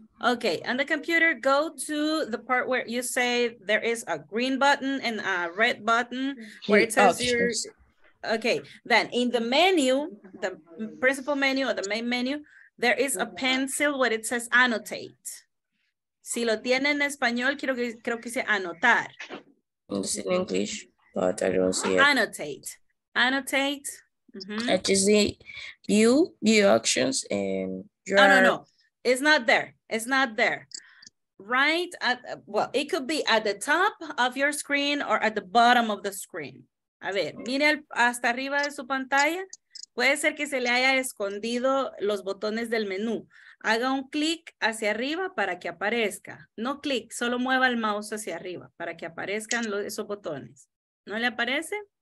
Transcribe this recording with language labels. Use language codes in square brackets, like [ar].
[en] Okay, on the computer, go to the part where you say there is a green button and a red button where it says okay, then in the menu, the principal menu or the main menu, there is a pencil where it says annotate. [es] Si lo tiene en español, creo que dice anotar. [en] It's in English, but I don't see it. Annotate. Mm-hmm. I just see view options and draw. No. It's not there. It could be at the top of your screen or at the bottom of the screen. [es] A ver, mire hasta arriba de su pantalla. Puede ser que se le haya escondido los botones del menú. Haga un clic hacia arriba para que aparezca. No clic, solo mueva el mouse hacia arriba para que aparezcan esos botones. ¿No le aparece?